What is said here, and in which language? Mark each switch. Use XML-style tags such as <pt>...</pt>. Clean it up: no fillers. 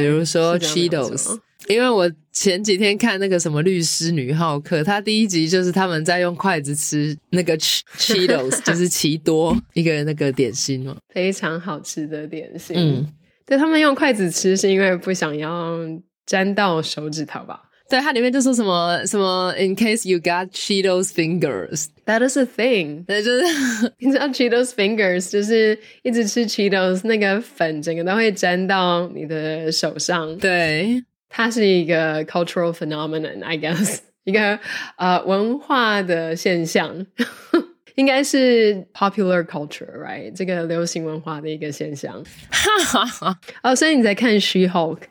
<zh>比如说 Cheetos。因为我前几天看那个什么律师女浩克，她第一集就是他们在用筷子吃那个 Cheetos， 就是奇多一个那个点心嘛，非常好吃的点心。嗯，对，他们用筷子吃是因为不想要沾到手指头吧。对，它里面就说什么什么</zh> <en>In case you got Cheetos fingers， That is a thing。</en> <zh>对，就是你知道 Cheetos fingers 就是一直吃 Cheetos， 那个粉整个都会沾到你的手上。对，它是一个</zh> <en>cultural phenomenon I guess，</en> <zh>一个文化的现象应该是</zh> <en>popular culture right，</en> <zh>这个流行文化的一个现象哈哈哦，所以你在看 She-Hulk？</zh>